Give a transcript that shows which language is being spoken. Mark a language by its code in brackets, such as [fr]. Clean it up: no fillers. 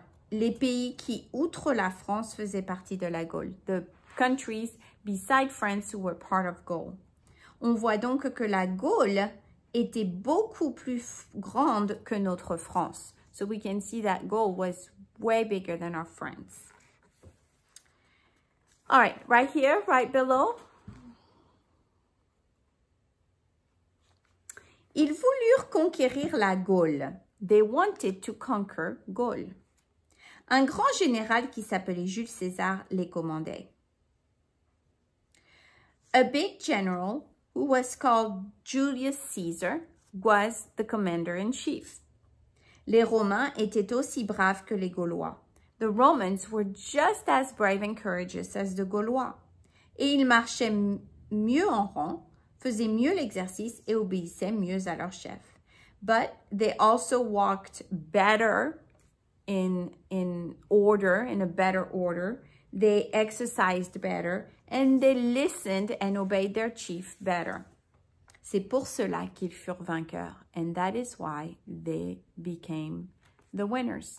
[fr] Les pays qui, outre la France, faisaient partie de la Gaule. [en] The countries beside France who were part of Gaul. [fr] On voit donc que la Gaule était beaucoup plus grande que notre France. [en] So we can see that Gaul was way bigger than our France. All right, right here, right below. [fr] Ils voulurent conquérir la Gaule. [en] They wanted to conquer Gaul. [fr] Un grand général qui s'appelait Jules César les commandait. [en] A big general who was called Julius Caesar was the commander-in-chief. [fr] Les Romains étaient aussi braves que les Gaulois. [en] The Romans were just as brave and courageous as the Gaulois. [fr] Et ils marchaient mieux en rang, faisaient mieux l'exercice et obéissaient mieux à leur chef. [en] But they also walked better in order, in a better order. They exercised better and they listened and obeyed their chief better. [fr] C'est pour cela qu'ils furent vainqueurs. [en] And that is why they became the winners.